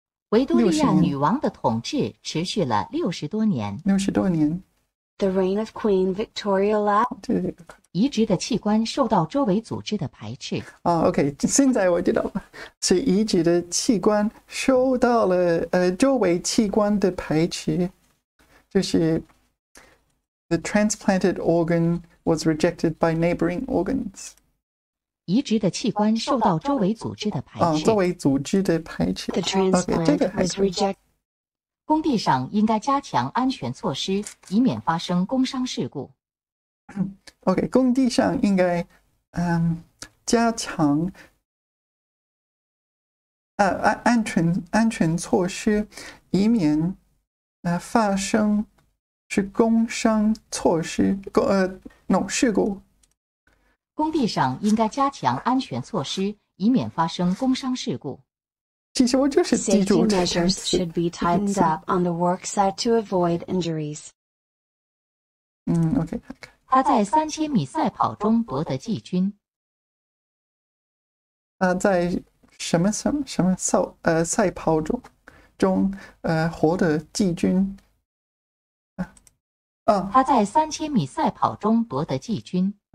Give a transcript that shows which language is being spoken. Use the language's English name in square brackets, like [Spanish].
[Chinese] 维多利亚女王的统治持续了60多年。 60多年。 [English] The reign of Queen Victoria last. [Chinese] 移植的器官受到周围组织的排斥。 OK, 现在我知道了。所以移植的器官受到了周围器官的排斥。就是 [English] The transplanted organ was rejected by neighboring organs. [Chinese] 移植的器官受到周围组织的排斥。周围组织的排斥。 [English] The transplant was rejected. [Chinese] 工地上应该加强安全措施，以免发生工伤事故。 OK， 工地上应该加强安全措施，以免发生是工伤措施事故。工地上应该加强安全措施，以免发生工伤事故。其实我就是记住这个。 [English] Safety measures should be tightened up on the work site to avoid injuries. OK。 [Chinese] 他在3000米赛跑中夺得季军。他在什么赛跑中获得季军。他在3000米赛跑中夺得季军。